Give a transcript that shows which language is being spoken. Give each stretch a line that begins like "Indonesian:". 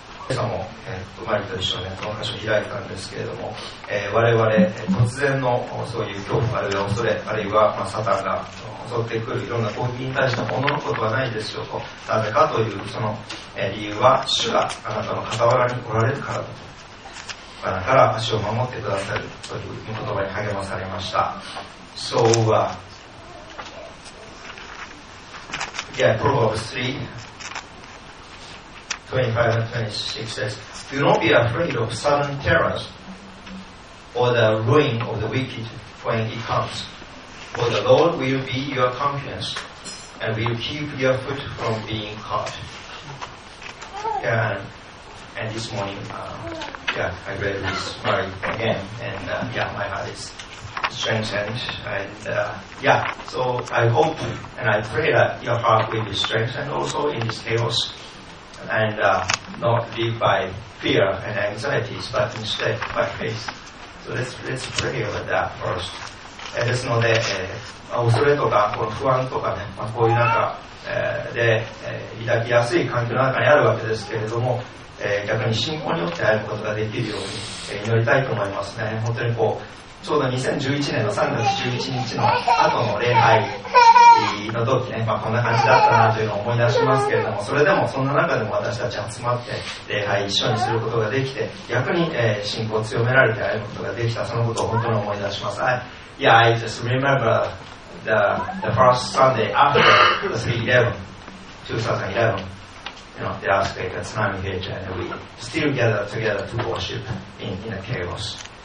Japanese: 今朝も、マリと一緒に、ね、この箇所を開いたんですけれども、我々、突然のそういう恐怖、あるいは恐れ、あるいは、まあ、サタンが襲ってくるいろんな攻撃に対しても驚くことはないですよと、なぜかというその、理由は、主があなたの傍らに来られるからだと、罠から足を守ってくださるという言葉に励まされました。
English: So, Proverbs 3:25-26 says, Do not be afraid of sudden terrors or the ruin of the wicked when it comes. For the Lord will be your confidence and will keep your foot from being caught. And this morning, I read this Mary again, and my heart is strengthened. And so I hope and I pray that your heart will be strengthened also in this chaos. And not live by fear and anxieties, but instead by faith. So let's pray about that first.
Japanese: ですので、恐れとかこの不安とかね、まあ、こういう中、で、抱きやすい環境の中にあるわけですけれども、逆に信仰によって会えることができるように、祈りたいと思いますね。本当にこう、ちょうど2011年の3月11日の後の礼拝。の時ね、まあ、こんな感じだったなというのを思い出しますけれども、それでもそんな中でも私たち集まって礼拝一緒にすることができて、逆に、信仰を強められて会えることができた、そのことを本当に思い出します。
English: Yeah, I just remember the first Sunday after the 3/11/2011, you know, the earthquake, the tsunami hit, and we still gather together to worship in a chaos.